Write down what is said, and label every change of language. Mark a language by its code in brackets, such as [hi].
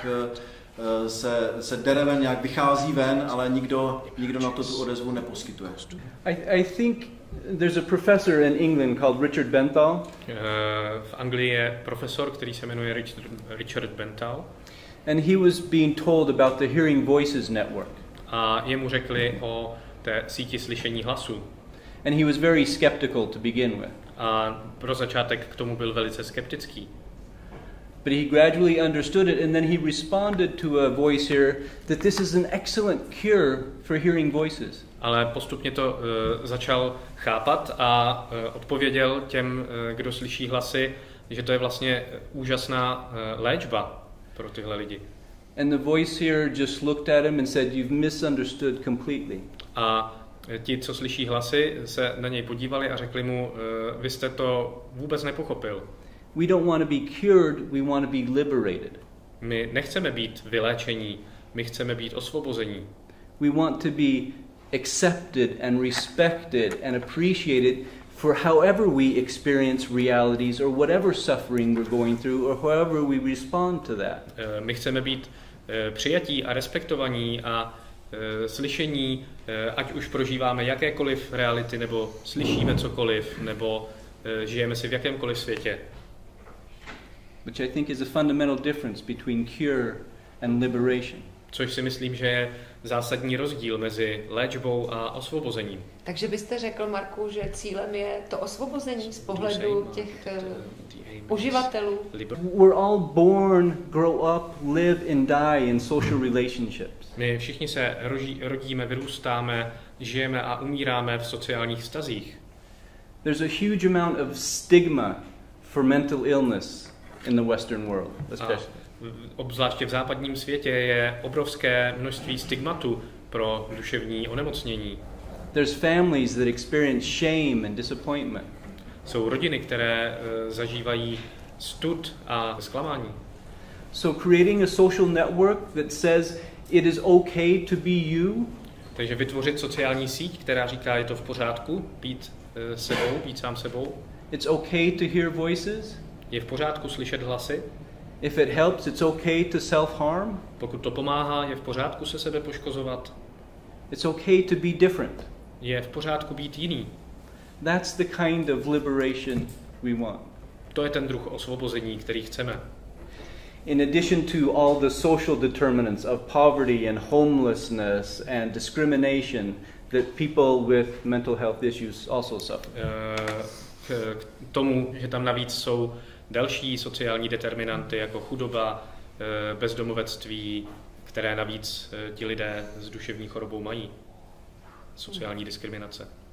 [cs] Nějak se dere ven, nějak vychází ven, ale nikdo na to tu odezvu neposkytuje. [en] I think there's a professor in England called Richard Bentall. [cs] V Anglii je profesor, který se jmenuje Richard Bentall. [en] And he was being told about the Hearing Voices network. [cs] A jemu řekli o té síti slyšení hlasů. [en] And he was very skeptical to begin with. [cs] A pro začátek k tomu byl velice skeptický. [en] But he gradually understood it, and then he responded to a voice here that this is an excellent cure for hearing voices. [cs] Ale postupně to začal chápat a odpověděl těm, kdo slyší hlasy, že to je vlastně úžasná léčba pro tyhle lidi. [en] And the voice here just looked at him and said, "You've misunderstood completely." [cs] A ti, co slyší hlasy, se na něj podívali a řekli mu, "Vy jste to vůbec nepochopil." [en] We don't want to be cured, we want to be liberated. [cs] My nechceme být vyléčení, my chceme být osvobození. [en] We want to be accepted and respected and appreciated for however we experience realities or whatever suffering we're going through or however we respond to that. [cs] My chceme být přijatí a respektovaní a slyšení, ať už prožíváme jakékoliv reality nebo slyšíme cokoliv nebo žijeme si v jakémkoliv světě. [en] Which I think is a fundamental difference between cure and liberation. [cs] Což si myslím, že je zásadní rozdíl mezi léčbou a osvobozením. Takže byste řekl, Marku, že cílem je to osvobození z pohledu těch uživatelů. [en] We're all born, grow up, live and die in social relationships. [cs] My všichni se rodíme, vyrůstáme, žijeme a umíráme v sociálních vztazích. [en] There's a huge amount of stigma for mental illness in the Western world, [cs] obzvláště v západním světě je obrovské množství stigmatu pro duševní onemocnění. [en] There's families that experience shame and disappointment. [cs] Jsou rodiny, které zažívají stud a zklamání. [en] So creating a social network that says it is okay to be you. [cs] Takže vytvořit sociální síť, která říká, je to v pořádku být sebou, být sám sebou. [en] It's okay to hear voices. [cs] Je v pořádku slyšet hlasy? [en] If it helps, it's okay to self-harm. [cs] Pokud to pomáhá, je v pořádku se sebe poškozovat. [en] It's okay to be different. [cs] Je v pořádku být jiný. [en] That's the kind of liberation we want. [cs] to je ten druh osvobození, který chceme. [en] In addition to all the social determinants of poverty and homelessness and discrimination that people with mental health issues also suffer. [cs] K tomu, že tam navíc jsou další sociální determinanty jako chudoba, bezdomovectví, které navíc ti lidé s duševní chorobou mají, sociální diskriminace.